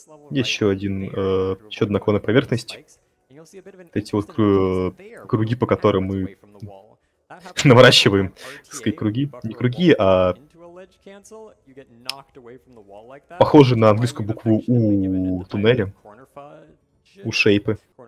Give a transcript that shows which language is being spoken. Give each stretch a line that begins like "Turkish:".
Russian: Еще одна наклонная поверхность. Эти вот круги, по которым мы... наворачиваем, так сказать, круги, не круги, а
English: ledge cancel, you get knocked away from the wall like that.
Russian: Похоже на английскую букву У туннеля. У шейпы.